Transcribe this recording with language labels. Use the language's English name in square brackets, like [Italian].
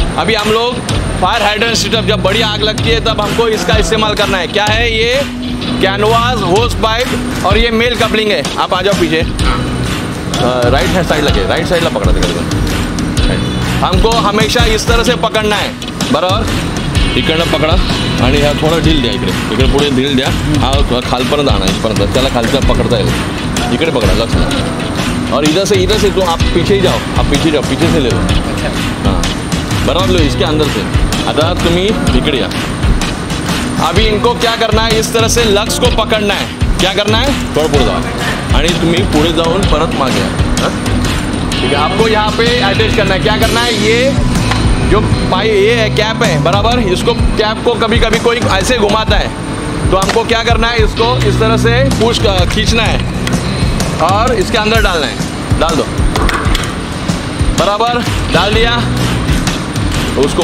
[Hindi] अभी हम लोग फायर हाइड्रेंट सिस्टम जब बड़ी आग लगती है तब हमको इसका इस्तेमाल करना है। क्या है? ये कैनवास होज पाइप और ये मेल कपलिंग है। आप आ जाओ पीछे, राइट हैंड साइड लगे, राइट साइड लग पकड़ दे। हमको हमेशा इस तरह से पकड़ना है बराबर। [Marathi] इकड़ पकड़ा आणि ह्या थोडं ढील द्या, इकडे इकडे पुढे ढील द्या। हा खालपर्यंत आणा, इथपर्यंत त्याला खालच्या पकडता येईल। इकडे पकडा लक्ष, [Hindi] और इधर से तू आप पीछे ही जाओ, आप पीछे जाओ, पीछे से ले लो। हाँ बराबर लो इसके अंदर से। [Marathi] आता तुम्ही इकडे या। [Hindi] अभी इनको क्या करना है? इस तरह से लक्ष को पकड़ना है। क्या करना है? [Marathi] थोड़ा पुढे जाओ आणि तुम्ही पुढे जाऊन परत मागे या। [Hindi] ठीक है, आपको यहाँ पे अटैच करना है। क्या करना है? ये जो पाई ये है कैप है बराबर। इसको कैप को कभी कभी कोई ऐसे घुमाता है तो हमको क्या करना है? इसको इस तरह से पुश खींचना है और इसके अंदर डालना है। डाल दो बराबर, डाल दिया उसको।